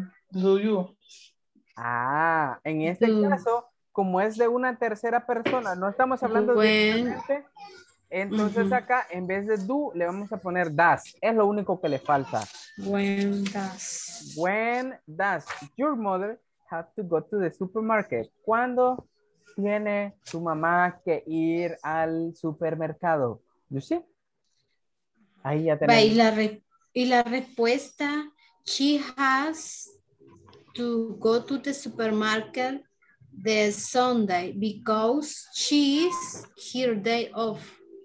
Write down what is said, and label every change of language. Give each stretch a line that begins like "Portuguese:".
Spanish: Soy yo. Ah, en este caso, como es de una tercera persona, no estamos hablando de directamente. Entonces acá, en vez de do, le vamos a poner das. Es lo único que le falta.
English: When does. When does your mother have to go to the supermarket?
Spanish: ¿Cuándo tiene su mamá que ir al supermercado?
English: You see?
Spanish: Ahí ya tenemos. Y la respuesta,
English: she has to go to the supermarket the Sunday because she's her day off.